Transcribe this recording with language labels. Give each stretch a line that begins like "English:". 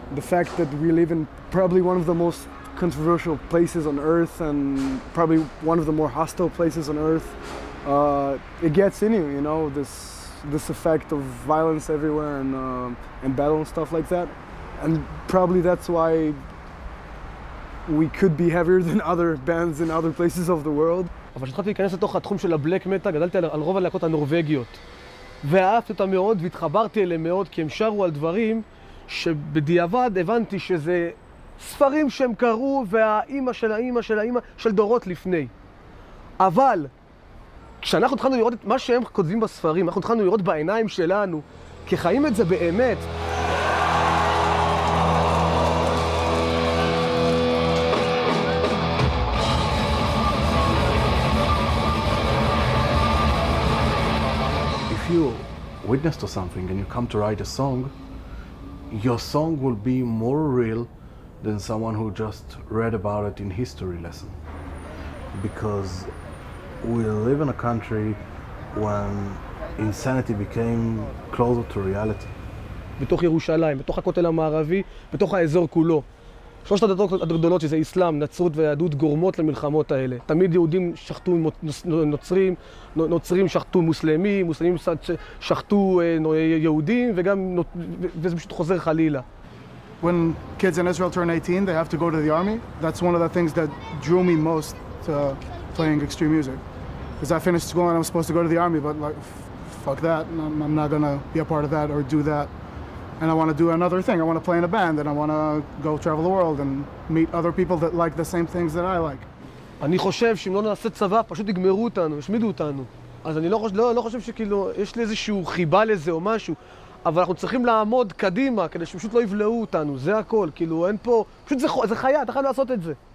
English: The fact that we live in probably one of the most controversial places on Earth and probably one of the more hostile places on Earth, it gets in you, you know, this effect of violence everywhere and battle and stuff like that. And probably that's why we could be heavier than other bands in other places of the world.
Hebrew: אבל כשהתחלתי להיכנס לתוך התחום של הבלק מטה, גדלתי על רוב הלהקות הנורווגיות. ואהבתי אותם מאוד והתחברתי אליהם מאוד, כי הם שרו על דברים שבדיעבד הבנתי שזה ספרים שהם קראו והאימא של האימא של האימא של דורות לפני. אבל כשאנחנו התחלנו לראות את מה שהם כותבים בספרים, אנחנו התחלנו לראות בעיניים שלנו, כי חיים את זה באמת.
English: Witness to something and you come to write a song, your song will be more real than someone who just read about it in history lesson. Because we live in a country when insanity became closer to reality.
Hebrew: בתוך ירושלים, בתוך הכותל המערבי, בתוך האזור כולו. שלושת הדתות הגדולות שזה אסלאם, נצרות ויהדות גורמות למלחמות האלה. תמיד יהודים שחטו נוצרים, נוצרים שחטו מוסלמים, מוסלמים שחטו יהודים וגם וזה פשוט חוזר חלילה.
English: When kids in Israel turn 18, they have to go to the army. That's one of the things that drew me most to playing extreme music. Cuz I finished school and I'm supposed to go to the army, but like fuck that. I'm not going to be a part of that or do that. And I want to do another thing. I want to play in a band and I want to go travel the world and meet other people that like the same things that I like.
Hebrew: אני חושב שאם לא נעשה צבא, פשוט יגמרו אותנו, ישמידו אותנו. אז אני לא חושב שכאילו יש לי איזשהו חיבה לזה או משהו, אבל אנחנו צריכים לעמוד קדימה כדי שפשוט לא יבלעו אותנו, זה הכל. כאילו אין פה, פשוט זה חיה, אתה חייב לעשות את זה.